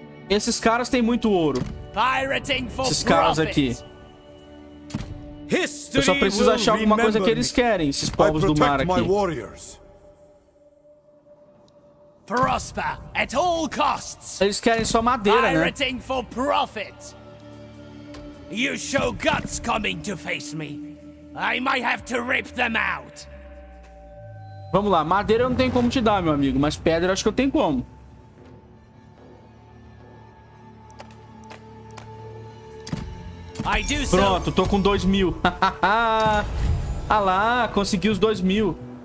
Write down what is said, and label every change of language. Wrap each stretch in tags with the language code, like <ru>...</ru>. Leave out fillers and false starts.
<pt>Esses caras têm muito ouro. Esses caras aqui.</pt> <en>History.</en> <pt>Eu só preciso achar alguma coisa que eles querem, esses povos do mar aqui.</pt> <en>Prosper at all costs.</en> <pt>Eles querem só madeira, né?</pt> <en>Pirating for profit. You show guts coming to face me. I might have to rip them out.</en> <pt>Vamos lá, madeira eu não tenho como te dar, meu amigo, mas pedra eu acho que eu tenho como. Pronto, tô com 2.000. Ah lá, consegui os 2.000.</pt>